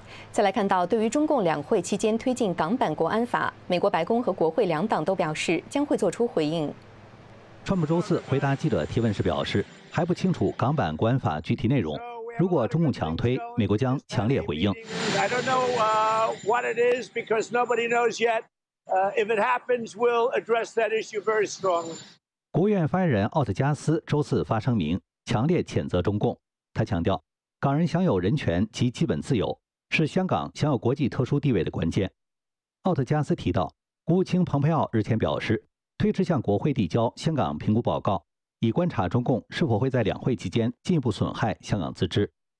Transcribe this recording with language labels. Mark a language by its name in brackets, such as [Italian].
[Chinese] 再来看到，对于中共两会期间推进港版国安法，美国白宫和国会两党都表示将会做出回应。川普周四回答记者提问时表示，还不清楚港版国安法具体内容，如果中共强推，美国将强烈回应。 [English] I don't know what it is because nobody knows yet. If it happens, we'll address that issue very strongly. [Chinese] 国务院发言人奥特加斯周四发声明，强烈谴责中共。他强调，港人享有人权及基本自由，是香港享有国际特殊地位的关键。奥特加斯提到，国务卿蓬佩奥日前表示，推迟向国会递交香港评估报告，以观察中共是否会在两会期间进一步损害香港自治。